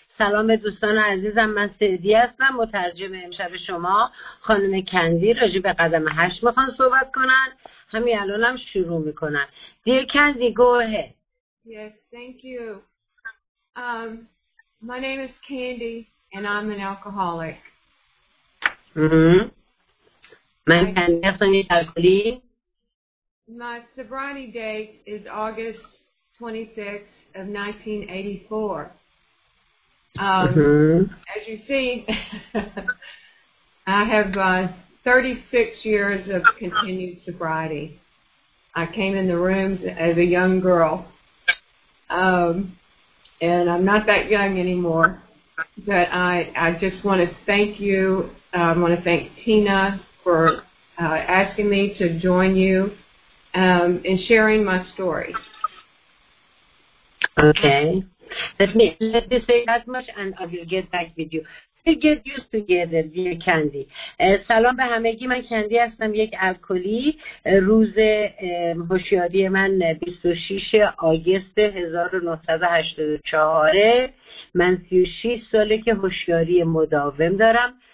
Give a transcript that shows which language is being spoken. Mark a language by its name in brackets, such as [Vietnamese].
[Persian] سلام به دوستان عزیزم، من سعدی هستم، مترجم امشب شما. خانم کندی راجع به قدم 8 میخوان صحبت کنن، همین الانم شروع میکنن. [English] Dear Candy, go ahead. Yes, thank you. My name is Candy and I'm an alcoholic. من Candy هستم، یک الکلی. My sobriety date is August 26th of 1984. As you see, I have 36 years of continued sobriety. I came in the rooms as a young girl, and I'm not that young anymore, but I just want to thank you. I want to thank Tina for asking me to join you in sharing my story. Okay. Let me say that much and I will get back with you. We'll get used together, dear Candy. [Persian] سلام به همگی، من کندی هستم، یک الکلی. روز هوشیاری من 26 آگست 1984. من 36 ساله که هوشیاری مداوم دارم.